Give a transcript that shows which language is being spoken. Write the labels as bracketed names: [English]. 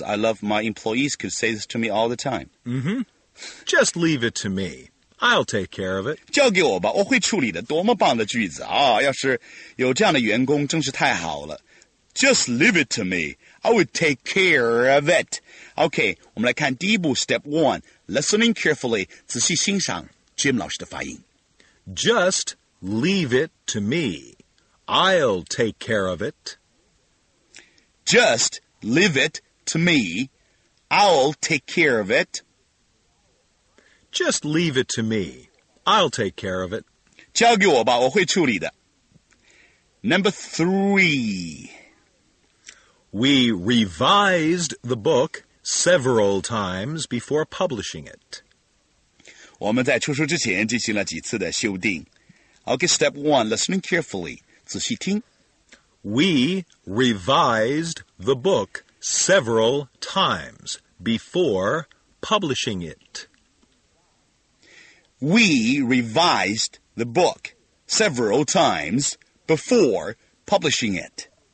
[English] I love my employees could say this to me all the time. Mm-hmm. Just leave it to me. I'll take care of it. [Chinese] 交给我吧，我会处理的。多么棒的句子啊！要是有这样的员工，真是太好了。 [English] Just leave it to me. I will take care of it. [Chinese] Okay, 我们来看第一步 , [English] Step 1. Listening carefully, [Chinese] 仔细欣赏 Jim 老师的发音。 [English] Just leave it to me. I'll take care of it. Just leave it to me. I'll take care of it. Just leave it to me. I'll take care of it. [Chinese] 交给我吧，我会处理的。 [English] Number 3. We revised the book several times before publishing it. [Chinese] 我们在出书之前进行了几次的修订。 [English] Okay, step 1, listening carefully. [Chinese] 仔细听。 [English] We revised the book several times before publishing it. We revised the book several times before publishing it.